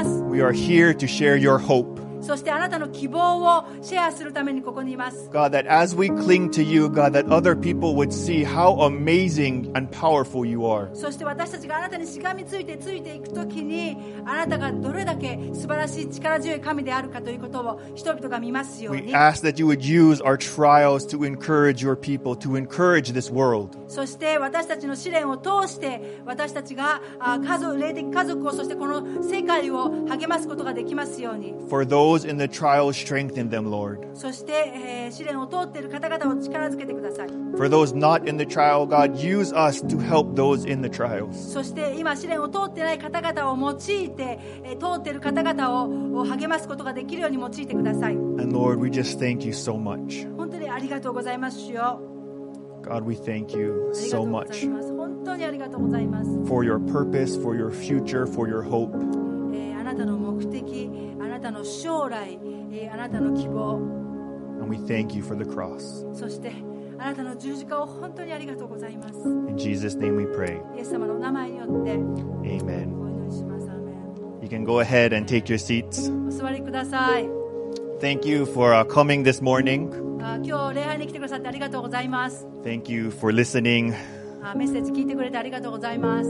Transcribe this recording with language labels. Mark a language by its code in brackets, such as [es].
[en] We are here to share your hope. [ja] そしてあなたの希望をシェアするためにここにいます。 [en] God, that as we cling to you, God, that other people would see how amazing and powerful you are. [ja] そして私たちがあなたにしがみついてついていくときに、あなたがどれだけ素晴らしい力強い神であるかということを人々が見ますように。 [en] We ask that you would use our trials to encourage your people, to encourage this world. [ja] そして私たちの試練を通して私たちが家族、霊的家族をそしてこの世界を励ますことができますように。 [en] For those in the trial, strengthen them, Lord. [ja] そして、試練を通っている方々を力づけてください。 [en] For those not in the trial, God, use us to help those in the trials. [ja] そして今試練を通っていない方々を用いて、通っている方々を励ますことができるように用いてください。 [en] And Lord, we just thank you so much. [ja] 本当にありがとうございますよ。 [en] God, we thank you so much. [ja] 本当にありがとうございます。 [en] For your purpose, for your future, for your hope. [ja] あなたの目的、あなたの将来、あなたの希望。 [en] And we thank you for the cross. [ja] そしてあなたの十字架を本当にありがとうございます。 [en] In Jesus' name we pray. [ja] イエス様の名前によって。 [en] Amen. [ja] お祈りします。Amen. [en] You can go ahead and take your seats. [ja] お座りください。 [en] Thank you for coming this morning. [ja] 今日礼拝に来てくださってありがとうございます。 [en] Thank you for listening. [ja] メッセージ聞いてくれてありがとうございます。